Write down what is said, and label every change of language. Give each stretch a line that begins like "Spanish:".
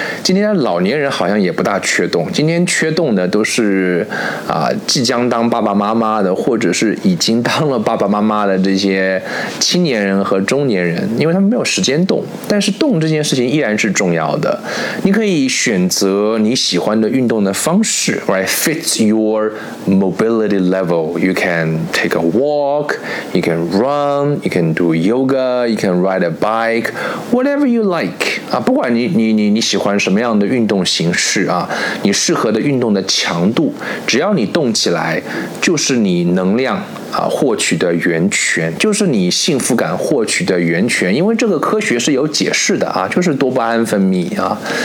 Chinese: 今天老年人好像也不大缺动，今天缺动的都是即将当爸爸妈妈的，或者是已经当了爸爸妈妈的这些青年人和中年人，因为他们没有时间动。但是动这件事情依然是重要的，你可以选择你喜欢的运动的方式， right?
English: Fits your mobility level. You can take a walk, you can run, you can do yoga, you can ride a bike, whatever you like.
Chinese: 啊，不管你喜欢什么样的运动形式啊，你适合的运动的强度，只要你动起来，就是你能量获取的源泉，就是你幸福感获取的源泉。因为这个科学是有解释的啊，就是多巴胺分泌啊。